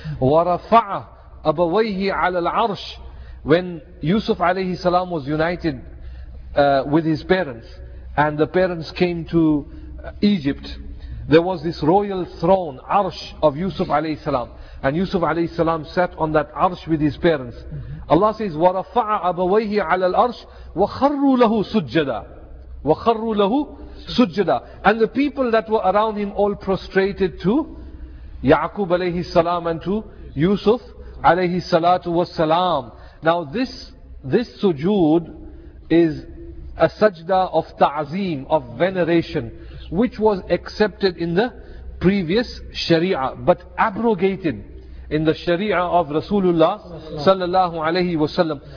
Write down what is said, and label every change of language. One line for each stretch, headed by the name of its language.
Arabic: وَرَفَعَ أَبَوَيْهِ عَلَى الْعَرْشِ.
English: When Yusuf alayhi salam was united with his parents, and the parents came to Egypt, there was this royal throne, arsh of Yusuf alayhi salam. And Yusuf alayhi salam sat on that arsh with his parents. Allah says,
Arabic: وَرَفَعَ أَبَوَيْهِ عَلَى الْأَرْشِ وَخَرُّوا لَهُ سُجَّدًا وَخَرُّوا لَهُ سُجَّدًا.
English: And the people that were around him all prostrated to Ya'qub alayhi salam and to Yusuf alayhi salatu wasalam. Now this sujood is a sajda of ta'zeem, of veneration, which was accepted in the previous sharia, but abrogated in the sharia of Rasulullah sallallahu alayhi wasallam.